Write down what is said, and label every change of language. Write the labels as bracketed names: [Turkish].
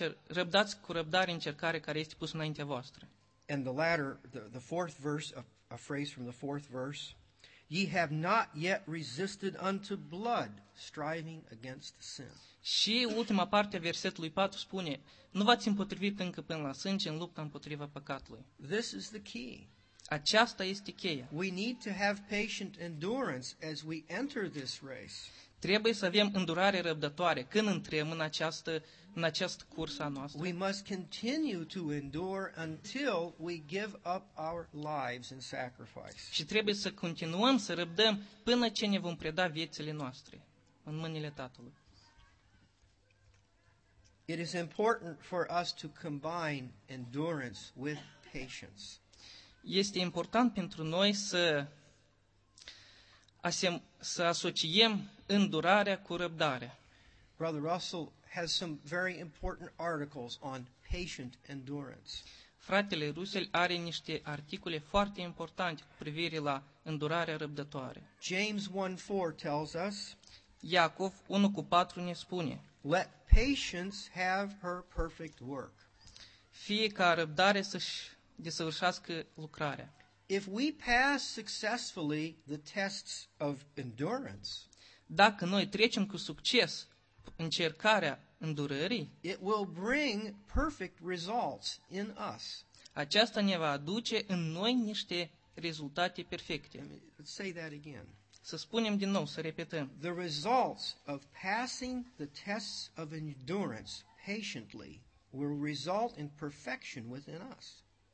[Romanian] Alergați cu răbdare încercarea care este pusă înaintea voastră. [English] And the latter, the fourth verse, a phrase from the fourth verse. Ye have not yet resisted unto blood, striving against sin. [Romanian] Și ultima parte a versetului 4 spune, nu v-ați împotrivit încă până la sânge în lupta împotriva păcatului. [English] This is the key. [Romanian] Aceasta este cheia. [English] We need to have patient endurance as we enter this race. [Romanian] Trebuie să avem îndurare răbdătoare când intrăm în acest curs al nostru. [English] We must continue to endure until we give up our lives in sacrifice. [Romanian] Și trebuie să continuăm să răbdăm până ce ne vom preda viețile noastre în mâinile Tatălui. [English] It is important for us to combine endurance with patience. [Romanian] Este important pentru noi să asociem îndurarea cu răbdarea. [English] Brother Russell has some very important articles on patient endurance. [Romanian] Fratele Russell are niște articole foarte importante cu privire la îndurarea răbdătoare. [English] James 1:4 tells us. [Romanian] Iacov 1:4 ne spune: [English] Let patience have her perfect work. [Romanian] Fie ca răbdare să-și desăvârșească lucrarea. [English] If we pass successfully the tests of endurance, [Romanian] dacă noi trecem cu succes încercarea îndurării, [English] it will bring perfect results in us. [Romanian] Aceasta ne va aduce în noi niște rezultate perfecte. [English] Let's say that again. [Romanian] Să spunem din nou, să repetăm. [English] The results of passing the tests of endurance patiently will result in perfection within us.